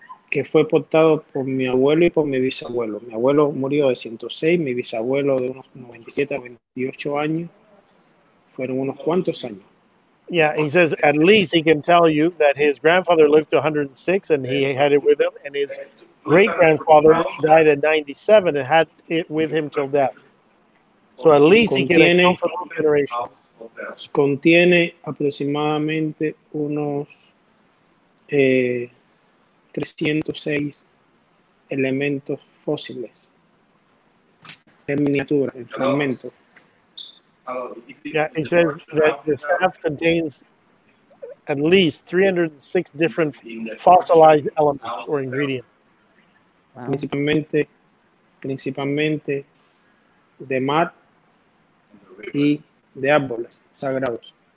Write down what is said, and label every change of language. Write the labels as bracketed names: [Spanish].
[Spanish] que fue portado por mi abuelo y por mi bisabuelo. Mi abuelo murió de 106, mi bisabuelo de unos 97 a 28 años. Fueron unos cuantos años. [English] Yeah, he says at least he can tell you that his grandfather lived to 106 and he had it with him, and his great-grandfather died at 97 and had it with him till death. So at least he can account for the generation. [Spanish] Contiene aproximadamente unos 306 elementos fósiles en miniatura, en fragmentos. [English] Yeah, it says that the staff contains at least 306 different fossilized elements or ingredients. [Spanish] Wow. Principalmente de mar y de árboles sagrados.